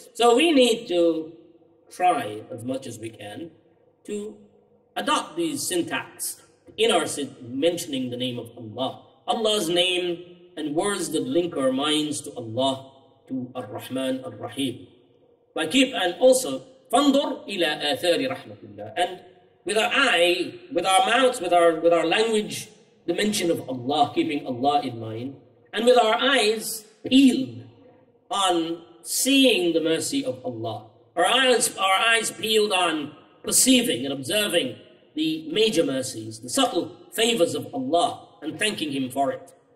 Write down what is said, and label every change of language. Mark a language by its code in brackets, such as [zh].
[en] So we need to try as much as we can to adopt these syntax in our mentioning the name of Allah. Allah's name and words that link our minds to Allah, to Ar-Rahman, Ar-Rahim. By keep and also, [ar] فَانْضُرْ إِلَىٰ آثَارِ رَحْمَةِ اللَّهِ. [en] And with our eye, with our mouths, with our language, the mention of Allah, keeping Allah in mind. And with our eyes, peel on seeing the mercy of Allah. Our eyes peeled on perceiving and observing the major mercies, the subtle favors of Allah, and thanking Him for it.